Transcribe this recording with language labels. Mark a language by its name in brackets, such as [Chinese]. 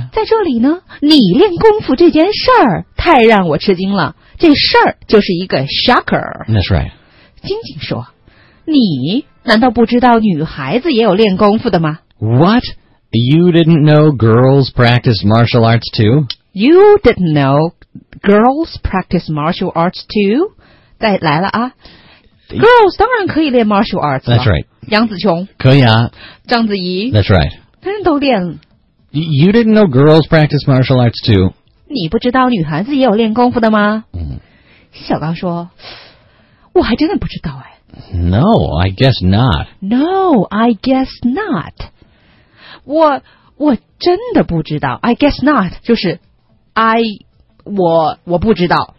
[Chinese] 在这里呢你练功夫这件事儿太让我吃惊了。这事儿就是一个 shocker. [English] That's right. [Chinese] 晶晶说你难道不知道女孩子也有练功夫的吗 [English] ?What? You didn't know girls practice martial arts too? You didn't know girls practice martial arts too? [Chinese] 再来了啊。Girls 当然可以练 martial arts 了。 [English] That's right. [Chinese] 杨紫琼。可以啊。章子怡。 [English] That's right. [Chinese] 人都练 [English] You didn't know girls practice martial arts too? [Chinese] 你不知道女孩子也有练功夫的吗、小刚说我还真的不知道哎 [English] No, I guess not No, I guess not [Chinese] 我真的不知道 [English] I guess not [Chinese] 就是 我不知道